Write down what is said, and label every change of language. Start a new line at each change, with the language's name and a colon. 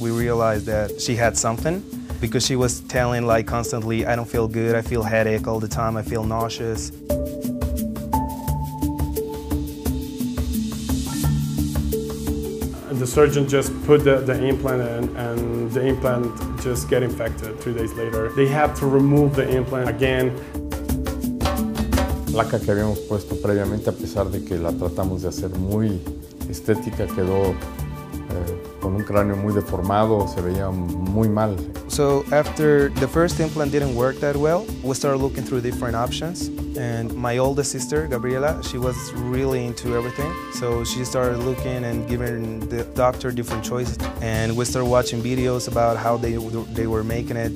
English: We realized that she had something because she was telling like constantly, I don't feel good, I feel headache all the time, I feel nauseous. The surgeon just put the implant in and the implant just got infected 3 days later. They had to remove the implant again.
Spanish: La placa que habíamos puesto previamente, a pesar de que la tratamos de hacer muy estética, quedó con un cráneo muy deformado, se veía muy mal.
English: So after the first implant didn't work that well, we started looking through different options. And my older sister, Gabriela, she was really into everything. So she started looking and giving the doctor different choices. And we started watching videos about how they were making it.